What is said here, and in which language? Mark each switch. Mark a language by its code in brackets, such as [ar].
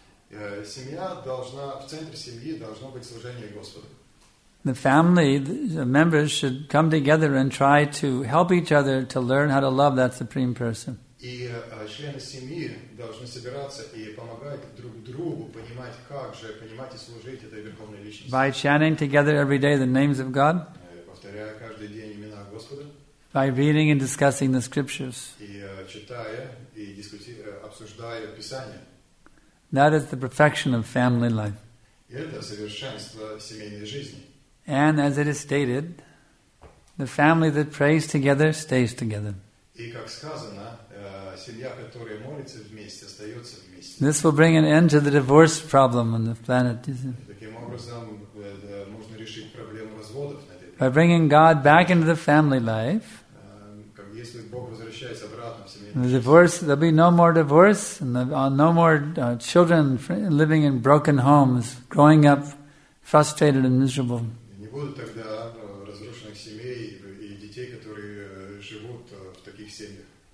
[ru] Семья должна, в центре семьи должно быть служение Господу. [en] The family, the members should come together and try to help each other to learn how to love that supreme person. [ru] И члены семьи должны собираться и помогать друг другу понимать, как же понимать и служить этой верховной личности. [en] By chanting together every day the names of God. [ru] Повторяя каждый день имена Господа. [en] By reading and discussing the scriptures. [ru] И читая и обсуждая Писание. [en] That is the perfection of family life. [ru] И это совершенство семейной жизни. [en] And as it is stated, the family that prays together stays together. [ru] И как сказано, семья, которая молится вместе, остается вместе. [en] This will bring an end to the divorce problem on the planet. [ru] Таким образом, можно решить проблему разводов на этой планете. [en] By bringing God back into the family life, [ru] если Бог возвращается обратно в семью, [en] there'll be no more divorce, and no more children living in broken homes, growing up frustrated and miserable. [ru] Не будет тогда разрушенных семей и детей, которые живут в таких семьях.